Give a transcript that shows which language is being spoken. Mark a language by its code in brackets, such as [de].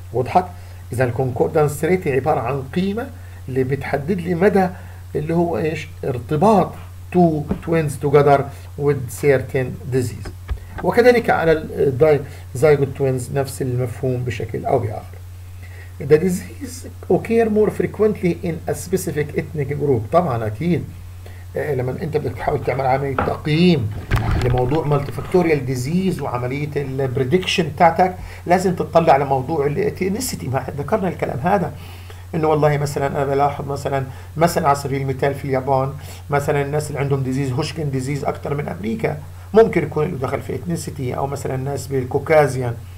[ar] وضحت؟ اذا الكونكوردنس ريت عباره عن قيمه اللي بتحدد لي مدى اللي هو ايش؟ ارتباط تو توينز توجذر [en] with certain disease. [ar] وكذلك على الزايغوت توينز نفس المفهوم بشكل أو بآخر. [en] The disease occurs more frequently in a specific ethnic group. [ar] طبعا أكيد لما انت بدك تحاول تعمل عمليه تقييم لموضوع مالتي فاكتوريال ديزيز وعمليه البريدكشن بتاعتك، لازم تطلع لموضوع الاثنيسيتي. ما ذكرنا الكلام هذا، انه والله مثلا انا بلاحظ مثلا على سبيل المثال في اليابان مثلا الناس اللي عندهم ديزيز هوشكن ديزيز اكثر من امريكا، ممكن يكون له دخل في اثنيسيتي، او مثلا الناس بالكوكازيان،